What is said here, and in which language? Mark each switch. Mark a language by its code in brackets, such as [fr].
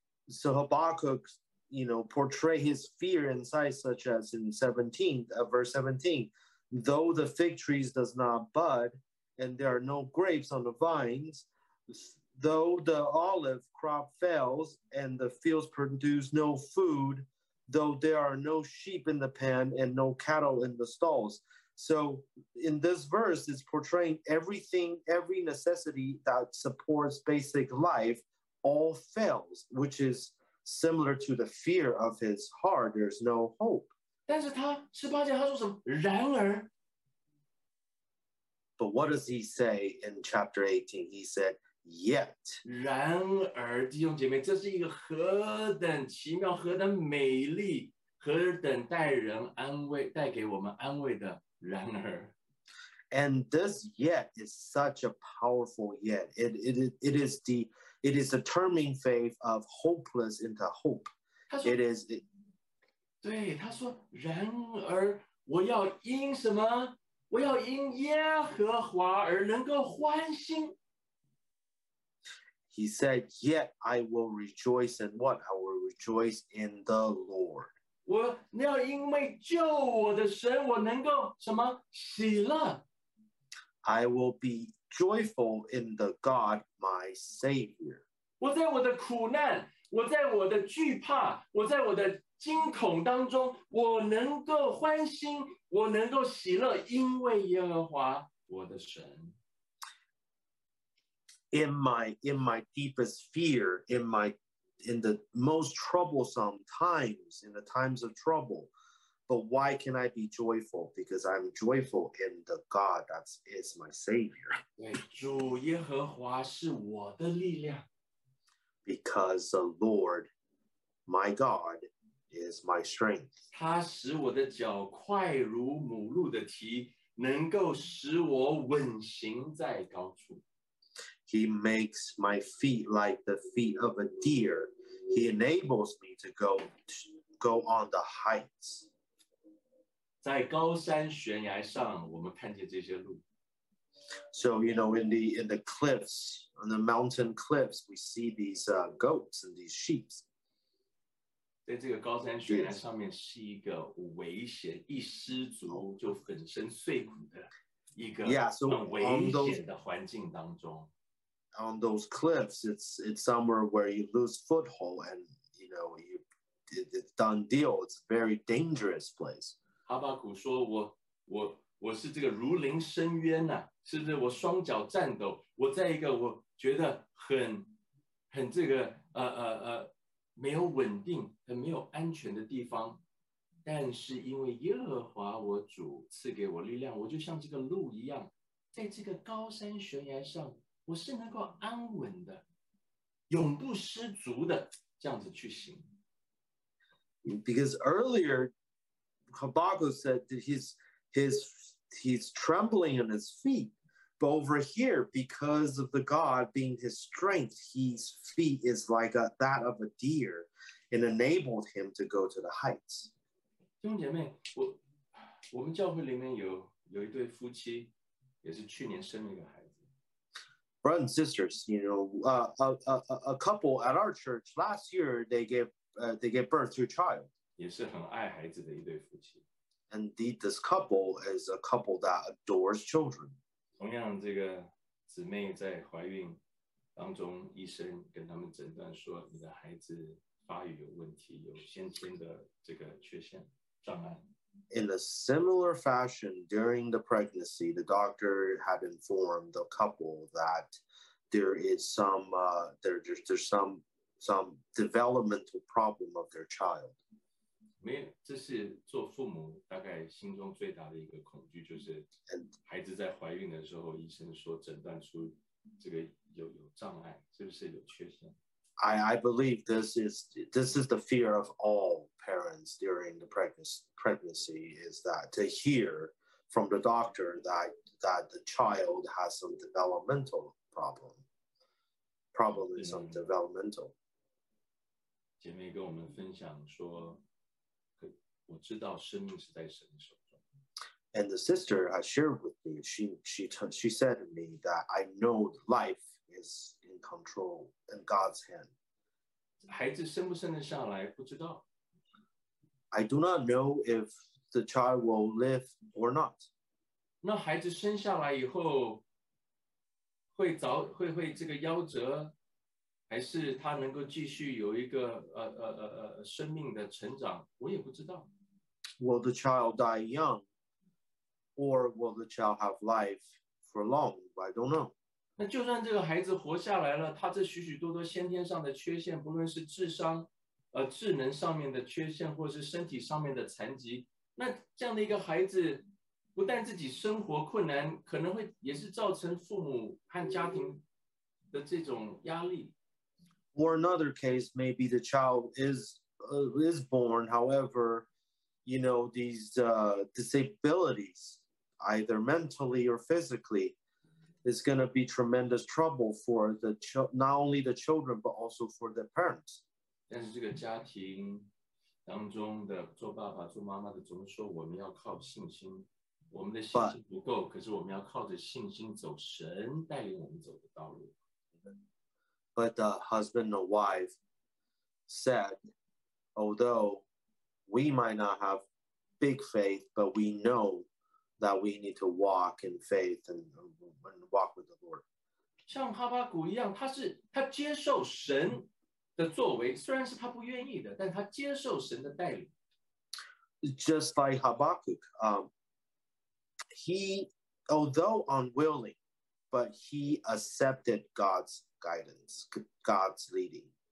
[en] So Habakkuk, you know, portray his fear inside, such as in 17, verse 17, though the fig trees does not bud, and there are no grapes on the vines, though the olive crop fails, and the fields produce no food, though there are no sheep in the pen, and no cattle in the stalls. So in this verse, it's portraying everything, every necessity that supports basic life, all fails, which is similar to the fear of his heart. There's no hope. [zh] 但是他十八节他说什么？然而。 [en] But what does he say in chapter 18? He said, "Yet." [zh] 然而，弟兄姐妹，这是一个何等奇妙、何等美丽、何等带人安慰、带给我们安慰的然而。 [en] And this yet is such a powerful yet. It is the turning faith of hopeless into hope. [zh] 对，他说，然而我要因什么？我要因耶和华而能够欢欣。 [en] He said, "Yet I will rejoice in what? I will rejoice in the Lord." [zh] 我要因为救我的神，我能够什么？喜乐。 [en] I will be joyful in the God, my Savior. [zh] 我在我的苦难，我在我的惧怕，我在我的惊恐当中，我能够欢欣，我能够喜乐，因为耶和华我的神。 [en] In my deepest fear, in the most troublesome times, in the times of trouble, but why can I be joyful? Because I'm joyful in the God that is my Savior. [zh] 对，主耶和华是我的力量。 [en] Because the Lord, my God, is my strength. [zh] 他使我的脚快如母鹿的蹄，能够使我稳行在高处。 [en] He makes my feet like the feet of a deer. He enables me to go on the heights. [zh] 在高山悬崖上，我们看见这些路。 [en] So you know, in the cliffs, on the mountain cliffs, we see these goats and these sheep. [zh] 在这个高山悬崖上面是一个危险，一失足就粉身碎骨的一个很危险的环境当中。 [en] On those cliffs, it's somewhere where you lose foothold, and you know it's done deal. It's a very dangerous place. [zh] 哈巴谷说我是这个如临深渊啊，是不是我双脚颤抖，我在一个我觉得很这个没有稳定，很没有安全的地方，但是因为耶和华我主赐给我力量，我就像这个鹿一样，在这个高山悬崖上，我是能够安稳的，永不失足的这样子去行。 [en] Because earlier, Habakkuk said that he's trembling on his feet, but over here, because of the God being his strength, his feet is like that of a deer, and enabled him to go to the heights. [zh] 弟兄姐妹，我们教会里面有一对夫妻，也是去年生了一个孩子。 [en] Brothers and sisters, you know, a couple at our church last year, they gave birth to a child. [zh] 也是很爱孩子的一对夫妻。 [en] Indeed, this couple is a couple that adores children. [zh] 同样，这个姊妹在怀孕当中，医生跟他们诊断说，你的孩子发育有问题，有先天的这个缺陷障碍。 [en] In a similar fashion, during the pregnancy, the doctor had informed the couple that there is some developmental problem of their child. [zh] 没有，这是做父母大概心中最大的一个恐惧，就是孩子在怀孕的时候，医生说诊断出这个有障碍，是不是有缺陷？ [en] I believe this is the fear of all parents during the pregnancy is that to hear from the doctor that the child has some developmental problem is some developmental. [zh] 姐妹跟我们分享说，我知道生命是在神手中。 [en] And the sister has shared with me. She said to me that I know life is in control in God's hand. [zh] 孩子生不生得下来不知道。 [en] I do not know if the child will live or not. [zh] 那孩子生下来以后会这个夭折，还是他能够继续有一个生命的成长，我也不知道。 [en] Will the child die young, or will the child have life for long? I don't know. [zh] 那就算这个孩子活下来了，他这许许多多先天上的缺陷，不论是智商、智能上面的缺陷，或是身体上面的残疾，那这样的一个孩子，不但自己生活困难，可能会也是造成父母和家庭的这种压力。 [en] Or another case, maybe the child is born, however. You know, these disabilities, either mentally or physically, is going to be tremendous trouble for not only the children, but also for the parents. [zh] 但是这个家庭当中的做爸爸做妈妈的总说我们要靠信心，我们的信心不够，可是我们要靠着信心走神带领我们走的道路。 [en] But the husband and wife said, although... We might not have big faith, but we know that we need to walk in faith and walk with the Lord. [zh] 像哈巴谷一样，他接受神的作为，虽然是他不愿意的，但他接受神的带领。 [en] Just like Habakkuk, he, although unwilling, but he accepted God's guidance, God's leading.